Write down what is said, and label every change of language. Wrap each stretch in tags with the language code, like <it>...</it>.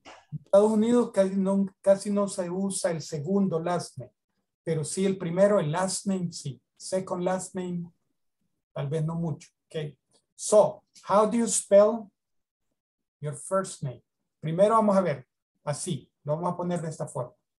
<es>En Estados Unidos casi no se usa el segundo last name, pero sí el primero, el last name, sí. Second last name, tal vez no mucho. Okay.</es> <en>So, how do you spell your first name?</en> <es>Primero vamos a ver, así, lo vamos a poner de esta forma.</es>